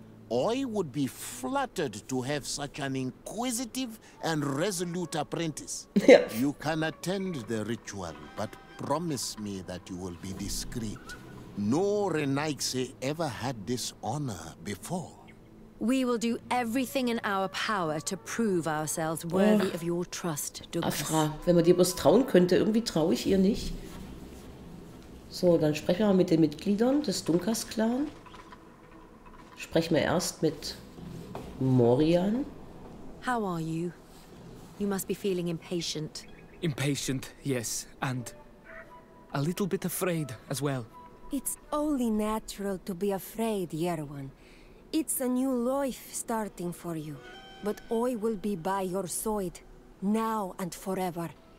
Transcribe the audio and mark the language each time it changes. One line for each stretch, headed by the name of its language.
English: I would be flattered to have such an inquisitive and resolute apprentice. Yeah. You can attend the ritual, but promise me that you will be discreet. No Renaixe ever had this honor before. We will do everything in our power to prove ourselves worthy of your trust, Dunkus.
German: Afra, wenn man dir bloß trauen könnte, irgendwie traue ich ihr nicht. So, dann sprechen wir mit den Mitgliedern des Dunkas-Clan. Sprechen wir erst mit Morian.
English: How are you? You must be feeling impatient. Impatient, yes, and a little bit afraid as well. It's only natural to be afraid, Yerwan. It's a new life starting for you. But I will be by your side, now and forever.